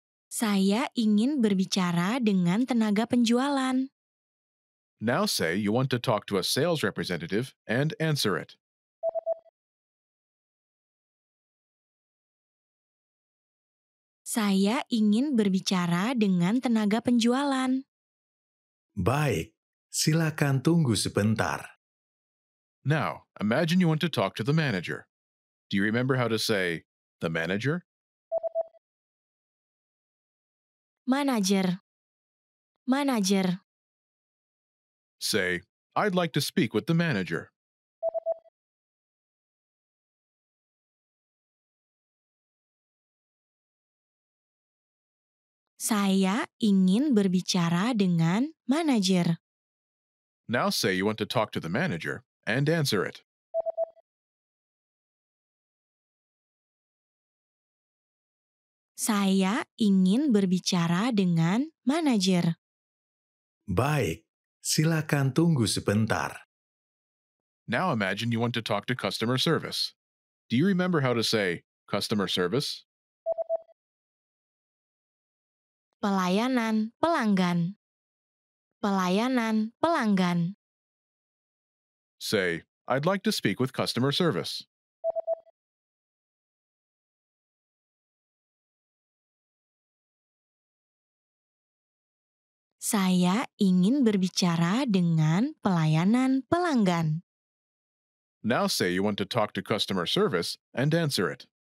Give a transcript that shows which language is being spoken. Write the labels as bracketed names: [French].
[Indonesian] Saya ingin berbicara dengan tenaga penjualan. [English] Now say you want to talk to a sales representative and answer it. [Indonesian] Saya ingin berbicara dengan tenaga penjualan. Baik, silakan tunggu sebentar. [English] Now, imagine you want to talk to the manager. Do you remember how to say the manager? Manager. Manager. Say, I'd like to speak with the manager. [Indonesian] Saya ingin berbicara dengan manajer. [English] Now say you want to talk to the manager and answer it. [Indonesian] Saya ingin berbicara dengan manajer. Baik, silakan tunggu sebentar. [English] Now imagine you want to talk to customer service. Do you remember how to say customer service? [Indonesian] Pelayanan pelanggan. Pelayanan pelanggan. [English] Say, I'd like to speak with customer service. [Indonesian] Saya ingin berbicara dengan pelayanan pelanggan. [English] Now say you want to talk to customer service and answer it.